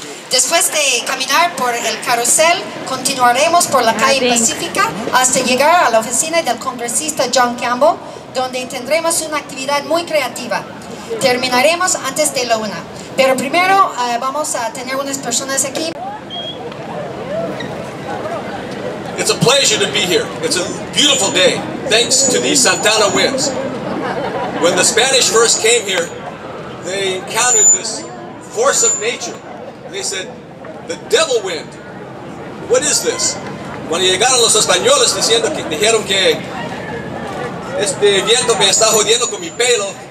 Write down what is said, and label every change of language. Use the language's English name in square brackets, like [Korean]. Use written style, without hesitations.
[Spanish] Después de caminar por el carrusel, continuaremos por la calle Pacífica hasta llegar a la oficina del congresista John Campbell, donde tendremos una actividad muy creativa. Terminaremos antes de la una. Pero primero vamos a tener unas personas aquí. [English] It's a pleasure to be here. It's a beautiful day, thanks to the Santana winds. When the Spanish first came here, they encountered this force of nature. They said, the devil wind. What is this? [Spanish] Cuando llegaron los españoles diciendo que dijeron que este viento me está jodiendo con mi pelo.